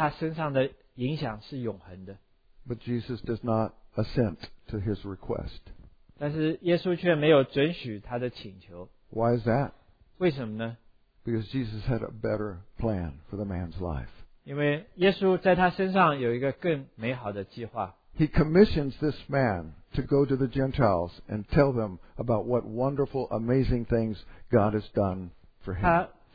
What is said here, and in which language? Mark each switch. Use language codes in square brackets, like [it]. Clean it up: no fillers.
[zh] 神的爱，神的怜悯，在他身上的影响是永恒的。But [en] Jesus does not assent to his request. [zh] 但是耶稣却没有准许他的请求。Why [en] is that? [zh] 为什么呢? [en] Because Jesus had a better plan for the man's life. [zh] 因为耶稣在他身上有一个更美好的计划。 [en] He commissions this man to go to the Gentiles and tell them about what wonderful, amazing things God has done for him.